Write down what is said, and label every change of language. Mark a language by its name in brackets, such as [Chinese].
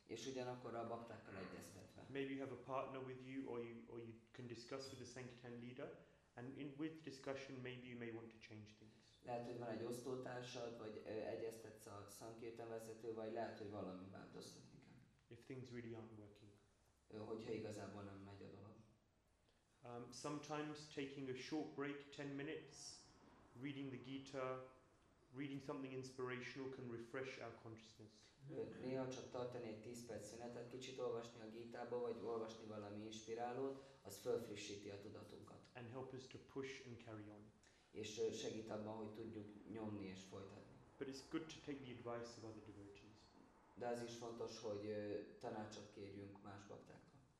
[Hungarian] És ugyanakkor a baktákkal egyeztetve. [English] Maybe you have a partner with you, or you can discuss with the Sankirtan leader, and in with discussion maybe you may want to change things. [Hungarian] Lehet, hogy van egy osztótársad, vagy egyeztetsz a Sankirtan vezetővel, vagy lehet, hogy valami változtatni kell. [English] If things really aren't working. [Hungarian] Hogyha igazából nem megy a dolog. [English] Sometimes taking a short break, 10 minutes, reading the Gita, reading something inspirational can refresh our consciousness. [Hungarian] Néha csak tartani egy 10 perc szünetet, kicsit olvasni a Gítába, vagy olvasni valami inspirálót, az felfrissíti a tudatunkat. [English] And help us to push and carry on. [Hungarian] És segít abban, hogy tudjuk nyomni és folytatni. [English] But it's good to take the advice of other devotees. [Hungarian] De az is fontos, hogy tanácsot kérjünk más baktáktól.